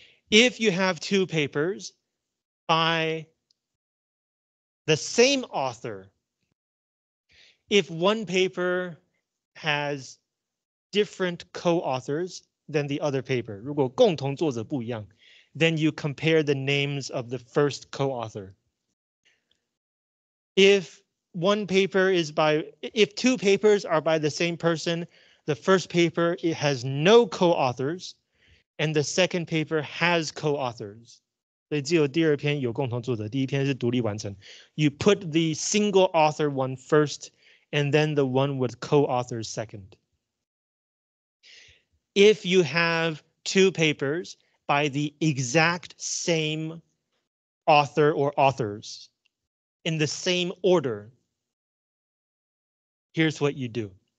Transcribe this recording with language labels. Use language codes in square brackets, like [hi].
[en] If you have two papers by the same author, if one paper has different co-authors than the other paper, [zh] 如果共同作者不一样, [en] then you compare the names of the first co-author. If one paper is by, if two papers are by the same person, the first paper, it has no co-authors, and the second paper has co-authors. [zh] 所以只有第二篇有共同作者，第一篇是独立完成. [en] You put the single author one first, and then the one with co-authors second. If you have two papers by the exact same author or authors in the same order, here's what you do.